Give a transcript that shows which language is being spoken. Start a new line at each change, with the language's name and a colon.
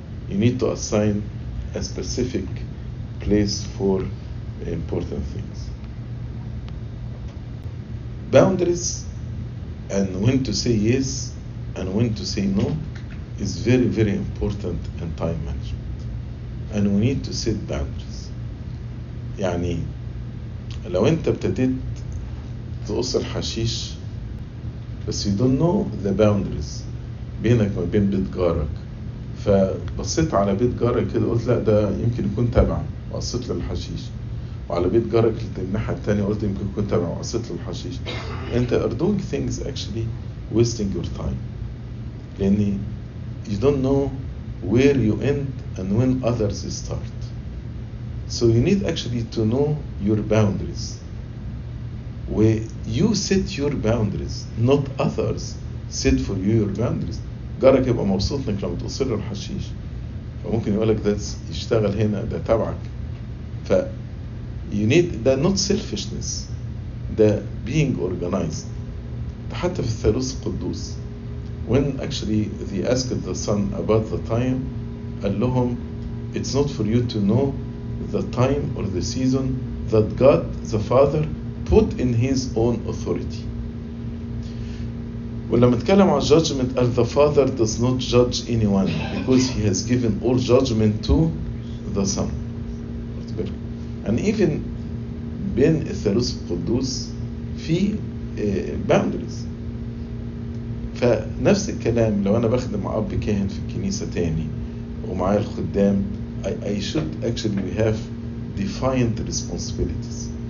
English: You need to assign a specific place for important things. Boundaries and when to say yes and when to say no is very, very important in time management. And we need to set boundaries.
Arabic: يعني لو انت ابتديت تقص الحشيش بس
English: you don't know the boundaries
Arabic: بينك ما بين بيت جارك, فبصيت على بيت جارك كده قلت لا ده يمكن يكون تبع وقصيت للحشيش, وعلى بيت جارك للناحية التانية قلت يمكن يكون تبع وقصيت للحشيش.
English: انت are doing things actually wasting your time, لان you don't know where you end and when others start. So you need actually to know your boundaries. Where you set your boundaries, not others set for you your boundaries.
Arabic: جارك يبقى مبسوط انك لما توصل له الحشيش فممكن يقولك ده يشتغل هنا ده تبعك.
English: ف you need that, not selfishness, the being organized.
Arabic: حتى في الثالوث القدوس
English: When actually they asked the son about the time, قالهم, it's not for you to know the time or the season that God the Father put in his own authority.
Arabic: ولما نتكلم عن
English: judgment, the Father does not judge anyone because he has given all judgment to the Son. And even
Arabic: بين الثالوث القدوس في boundaries. فنفس الكلام لو أنا بخدم أب كاهن في الكنيسة تاني ومعي الخدام,
English: I should actually have defined responsibilities.